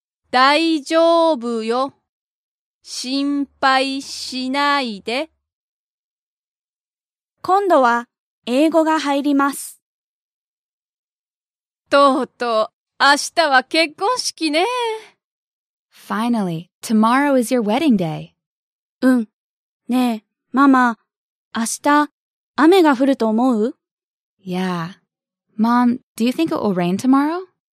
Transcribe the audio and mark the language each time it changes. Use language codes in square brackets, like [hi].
[ja] 大丈夫よ。心配しないで。今度は英語が入ります。とうとう、明日は結婚式ね。 [en] Finally, tomorrow is your wedding day. [ja] うん。ねえ、ママ、明日雨が降ると思う？ [en] Yeah. Mom, do you think it will rain tomorrow?